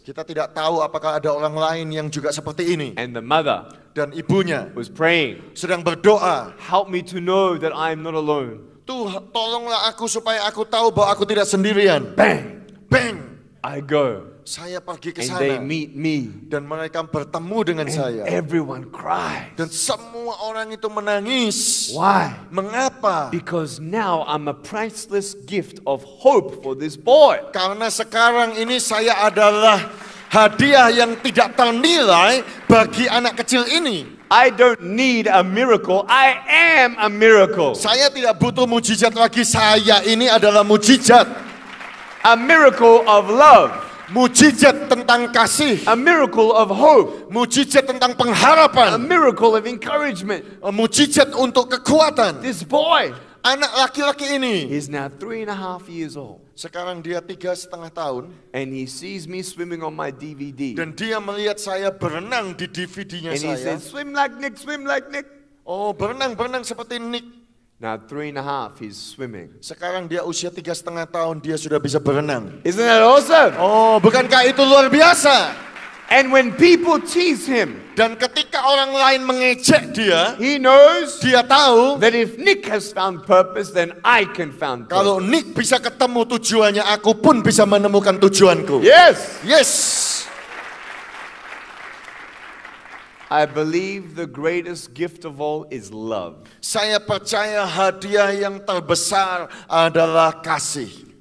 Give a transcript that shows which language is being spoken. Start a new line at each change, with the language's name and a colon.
Indonesian: Kita tidak tahu apakah ada orang lain yang juga seperti ini.
English: And the mother.
Indonesian: Dan ibunya.
English: Was praying.
Indonesian: Sedang berdoa.
English: Help me to know that I am not alone.
Indonesian: Tuhan, tolonglah aku supaya aku tahu bahwa aku tidak sendirian. Bang, bang.
English: I go.
Indonesian: Saya pergi ke
English: and
Indonesian: sana,
English: they meet me.
Indonesian: Dan mereka bertemu dengan
English: and
Indonesian: saya.
English: Everyone cries.
Indonesian: Dan semua orang itu menangis.
English: Why?
Indonesian: Mengapa?
English: Because now I'm a priceless gift of hope for this boy.
Indonesian: Karena sekarang ini saya adalah hadiah yang tidak ternilai bagi anak kecil ini.
English: I don't need a miracle. I am a miracle.
Indonesian: Saya tidak butuh mujizat lagi. Saya ini adalah mujizat.
English: A miracle of love.
Indonesian: Mujizat tentang kasih.
English: A miracle of hope.
Indonesian: Mujizat tentang pengharapan.
English: A miracle of encouragement.
Indonesian: Mujizat untuk kekuatan.
English: This boy.
Indonesian: Anak laki-laki ini.
English: He's now 3.5 years old.
Indonesian: Sekarang dia 3.5 tahun.
English: And he sees me swimming on my DVD.
Indonesian: Dan dia melihat saya berenang di DVD-nya
English: saya. And he says, swim like Nick, swim like Nick.
Indonesian: Oh, berenang, berenang seperti Nick.
English: Now 3.5, he's swimming.
Indonesian: Sekarang dia usia 3.5 tahun, dia sudah bisa berenang.
English: Isn't that awesome?
Indonesian: Oh, bukankah itu luar biasa?
English: And when people tease him,
Indonesian: dan ketika orang lain mengejek dia,
English: he knows,
Indonesian: dia tahu,
English: that if Nick has found purpose, then I can found purpose.
Indonesian: Kalau Nick bisa ketemu tujuannya, aku pun bisa menemukan tujuanku.
English: Yes, yes. I believe the greatest gift of all is love.
Indonesian: Saya percaya hadiah yang terbesar adalah kasih.